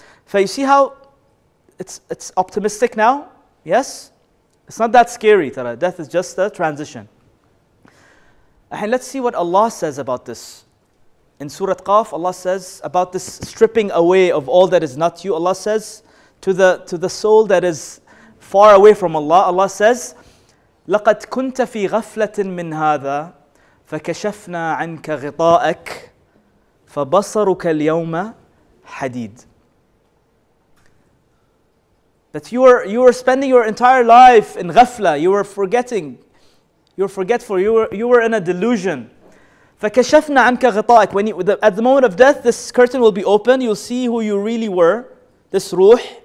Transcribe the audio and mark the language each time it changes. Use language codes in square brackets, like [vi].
[en] So you see how it's optimistic now? Yes? It's not that scary, Tara. Death is just a transition. And let's see what Allah says about this. In Surah Qaf, Allah says about this stripping away of all that is not you. Allah says to the soul that is far away from Allah, Allah says, لقد كنت في غفلة من هذا فكشفنا عنك غطاءك فبصرك اليوم حديد. That you were spending your entire life in ghafla, you were forgetting, you were forgetful, you were in a delusion. [ar] فكشفنا عنك غطاءك. [en] When at the moment of death, this curtain will be open. You'll see who you really were. This ruh.